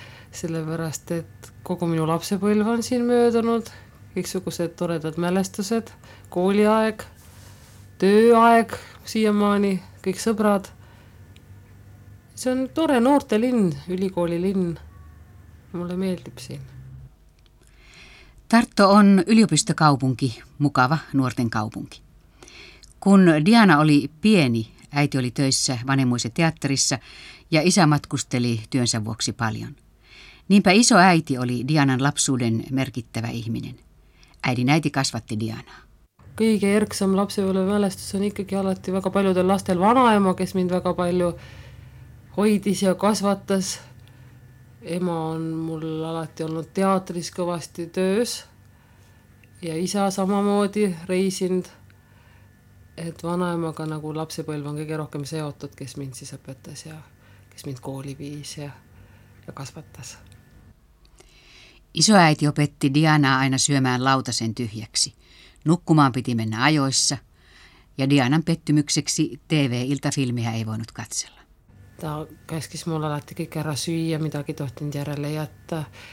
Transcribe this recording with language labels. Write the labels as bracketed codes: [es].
[et] Sellepärast, et kogu minu lapsepõlv on siin möödunud, kõiksugused toredad mälestused, kooliaeg, tööaeg siiamaani, kõik sõbrad. See on tore noorte linn, ülikooli linn. Mulle meeldib siin. [fi] Tartu on yliopistokaupunki, mukava nuorten kaupunki. Kun Diana oli pieni, äiti oli töissä Vanhemmuisen teatterissa ja isä matkusteli työnsä vuoksi paljon. Niinpä iso äiti oli Dianan lapsuuden merkittävä ihminen. Äidin äiti kasvatti Dianaa. [et] Kõige erksam lapsepõlve mälestus on ikkagi alati väga paljudel lastel vanaema, kes mind väga palju hoidis ja kasvatas. Ema on mul alati olnud teatris kõvasti töös ja isa samamoodi reisind. Et vanaemaga nagu lapsepõlv on kõige rohkem seotud, kes mind siis õpetas ja kes mind kooli viis ja kasvatas. [fi] Isoäiti opetti Dianaa aina syömään lautasen tyhjäksi. Nukkumaan piti mennä ajoissa ja Dianan pettymykseksi TV-iltafilmiä ei voinut katsella. Tämä käskisi mulla lähtikin kerran syyä, mitäkin tohtin järjelle jättää.